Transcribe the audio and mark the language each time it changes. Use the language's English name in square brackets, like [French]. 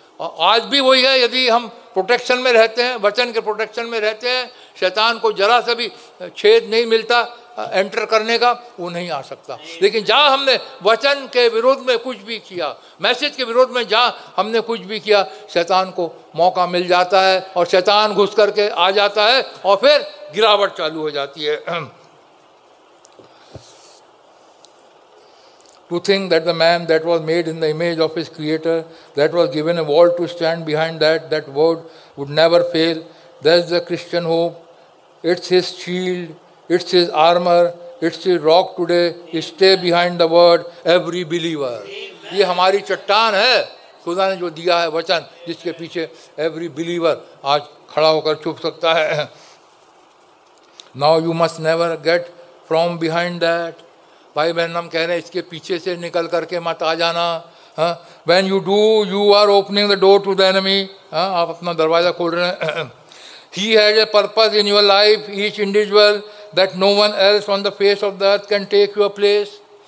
[Hindi] और आज भी वही है, यदि हम प्रोटेक्शन में रहते हैं, वचन के प्रोटेक्शन में रहते हैं, शैतान को जरा सा भी छेद नहीं मिलता एंटर करने का, वो नहीं आ सकता. लेकिन जहाँ हमने वचन के विरोध में कुछ भी किया, मैसेज के विरोध में जहाँ हमने कुछ भी किया, शैतान को मौका मिल जाता है और शैतान घुस करके आ जाता है और फिर गिरावट चालू हो जाती है. [English] To think that the man that was made in the image of his creator, that was given a wall to stand behind, that word would never fail. That's the Christian hope. It's his shield, it's his armor, it's his rock today. Stay behind the word, every believer. [Hindi] ये हमारी चट्टान है, खुदा ने जो दिया है वचन, जिसके पीछे every believer आज खड़ा होकर छुप सकता है. [English] Now you must never get from behind that. [Hindi] भाई बहन हम कह रहे हैं इसके पीछे से निकल करके मत आ जाना. [English] when you do you are opening the door to the enemy, [Hindi] आप अपना दरवाजा खोल रहे हैं. [English] He has a purpose in your life each individual that no one else on the face of the earth can take your place.